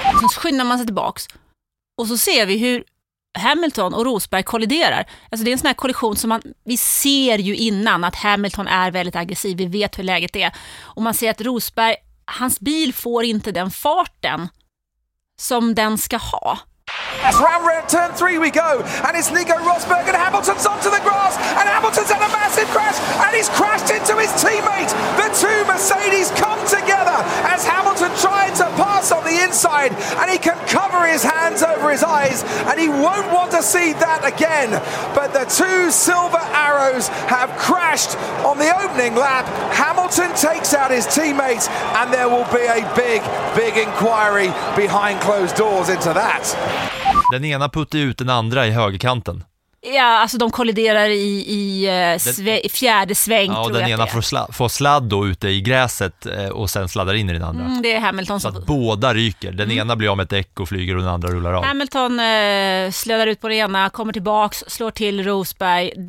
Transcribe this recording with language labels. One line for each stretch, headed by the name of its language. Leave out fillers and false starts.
Swedish: Så skyndar man sig tillbaks och så ser vi hur Hamilton och Rosberg kolliderar. Alltså det är en sån här kollision som vi ser ju innan, att Hamilton är väldigt aggressiv, vi vet hur läget är. Och man ser att Rosberg, hans bil får inte den farten som den ska ha.
English: Round red, turn three we go, and it's Nico Rosberg, and Hamilton's onto the grass, and Hamilton's had a massive crash, and he's crashed into his teammate. The two Mercedes come together as Hamilton tried to pass on the inside, and he can cover his hands over his eyes, and he won't want to see that again. But the two silver arrows have crashed on the opening lap. Hamilton takes out his teammate, and there will be a big, big inquiry behind closed doors into that.
Swedish: Den ena puttar ut den andra i högerkanten. Ja, alltså de kolliderar i fjärde sväng. Ja, och tror den ena får sladd då ute i gräset och sen sladdar in i den andra. Mm, det är Hamilton. Så att båda ryker. Den ena blir av med ett däck och flyger och den andra rullar av. Hamilton sladdar ut på den ena, kommer tillbaks, slår till Rosberg.